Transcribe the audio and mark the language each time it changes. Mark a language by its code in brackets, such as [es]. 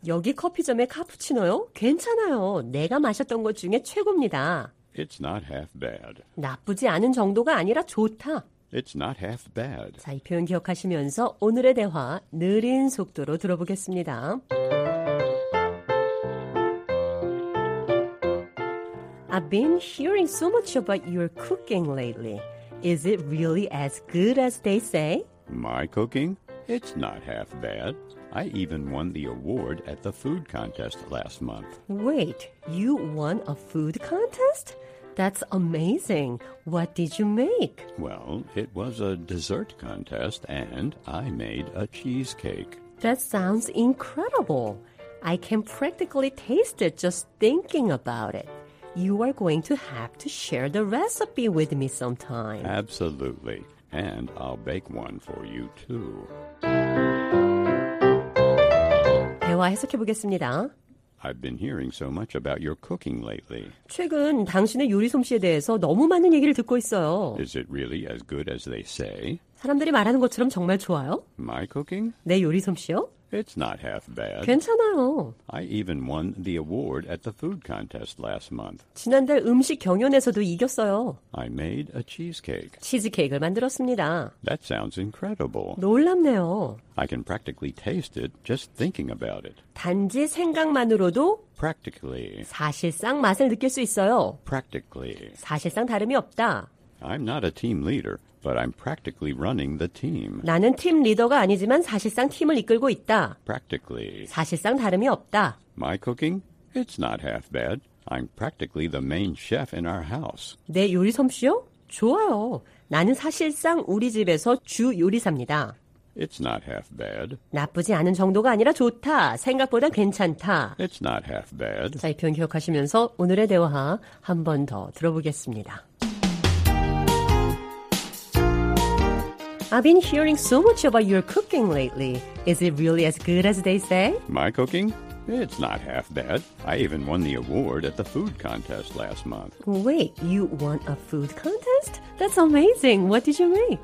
[ko] 여기 커피점의 카푸치노요? 괜찮아요. 내가 마셨던 것 중에 최고입니다. [en] It's not half bad. [ko] 나쁘지 않은 정도가 아니라 좋다. [en] It's not half bad. [ko] 자, 이 표현 기억하시면서 오늘의 대화 느린 속도로 들어보겠습니다. [en] I've been hearing so much about your cooking lately. Is it really as good as they say? My cooking? It's not half bad. I even won the award at the food contest last month. Wait, you won a food contest? That's amazing. What did you make? Well, it was a dessert contest, and I made a cheesecake. That sounds incredible. I can practically taste it just thinking about it. You are going to have to share the recipe with me sometime. Absolutely. And I'll bake one for you, too. [ko] 대화 해석해 보겠습니다. [en] I've been hearing so much about your cooking lately. [ko] 최근 당신의 요리 솜씨에 대해서 너무 많은 얘기를 듣고 있어요. [en] Is it really as good as they say? [ko] 사람들이 말하는 것처럼 정말 좋아요? [en] My cooking? [ko] 내 요리 솜씨요? [en] It's not half bad. [ko] 괜찮아요. [en] I even won the award at the food contest last month. [ko] 지난달 음식 경연에서도 이겼어요. [en] I made a cheesecake. [ko] 치즈케이크를 만들었습니다. [en] That sounds incredible. [ko] 놀랍네요. [en] I can practically taste it just thinking about it. [ko] 단지 생각만으로도 [en] practically [ko] 사실상 맛을 느낄 수 있어요. [en] practically [ko] 사실상 다름이 없다. [en] I'm not a team leader. But I'm practically running the team. [ko] 나는 팀 리더가 아니지만 사실상 팀을 이끌고 있다. [en] Practically. [ko] 사실상 다름이 없다. [en] My cooking? It's not half bad. I'm practically the main chef in our house. [ko] 내 요리 솜씨요? 좋아요. 나는 사실상 우리 집에서 주 요리사입니다. [en] It's not half bad. [ko] 나쁘지 않은 정도가 아니라 좋다. 생각보다 괜찮다. [en] It's not half bad. [ko] 자, 이 표현 기억하시면서 오늘의 대화 한 번 더 들어보겠습니다. [en] I've been hearing so much about your cooking lately. Is it really as good as they say? My cooking? It's not half bad. I even won the award at the food contest last month. Wait, you won a food contest? That's amazing. What did you make?